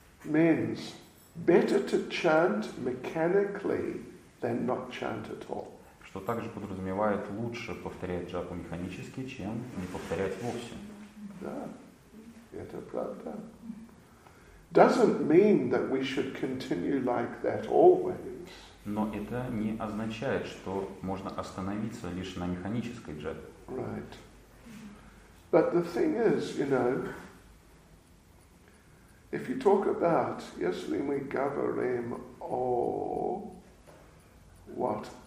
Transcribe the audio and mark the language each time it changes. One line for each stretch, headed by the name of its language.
English: Means better to chant mechanically than not chant at all.
Russian: Что также подразумевает лучше повторять джапу механически, чем не повторять вовсе. Да, это правда.
English: Doesn't mean that we should continue like that always.
Russian: Но это не означает, что можно остановиться лишь на механической джапе.
English: Right. But the thing is, you know, if you talk about,
Russian: если мы говорим о
English: what?